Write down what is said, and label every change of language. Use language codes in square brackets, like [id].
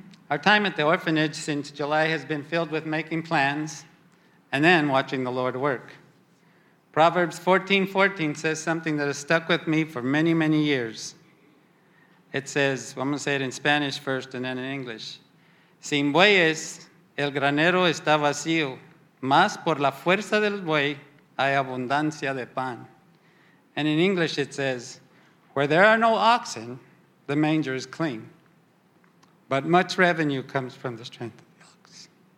[en] Our time at the orphanage since July has been filled with making plans and then watching the Lord work. Proverbs 14:14 says something that has stuck with me for many, many years. It says, well, I'm going to say it in Spanish first and then in English. [es] Sin bueyes, el granero está vacío, mas por la fuerza del buey, hay abundancia de pan. [en] And in English it says, where there are no oxen, the manger is clean. But much revenue comes from the strength of the ox.